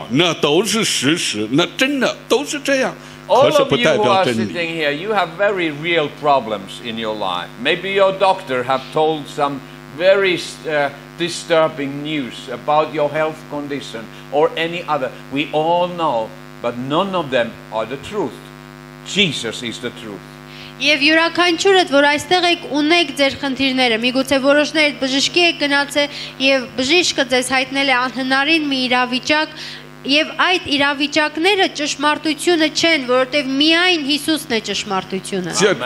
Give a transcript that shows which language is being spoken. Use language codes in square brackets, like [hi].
[zh] 我们今天坐在这里的，我们的问题，哪一个人一生知道？你自己也知道，那都是事实，那真的都是这样。 [en] All of you who are sitting here, you have very real problems in your life. Maybe your doctor have told some very disturbing news about your health condition or any other. We all know, but none of them are the truth. Jesus is the truth. [hy] Եվ յուրաքանչյուրդ, որ այստեղ եք, ունեք ձեր խնդիրները, միգուցե որոշներդ բժշկի է գնացել եւ բժիշկը ձեզ հայտնել է անհնարին մի իրավիճակ, եւ այդ իրավիճակները ճշմարտությունը չեն, որովհետեւ միայն Հիսուսն է ճշմարտությունը։